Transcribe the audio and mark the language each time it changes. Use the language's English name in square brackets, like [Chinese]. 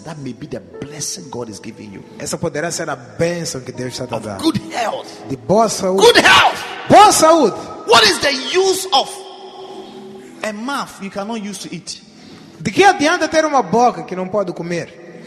[English] That may be the blessing God is giving you. [Portuguese] Essa poderá ser a bênção que Deus está te dando. [English] Good health. [Portuguese] De boa saúde. [English] Good health. [Portuguese] Boa saúde. [English] What is the use of a mouth you cannot use to eat? [Portuguese] De que adianta ter uma boca que não pode comer?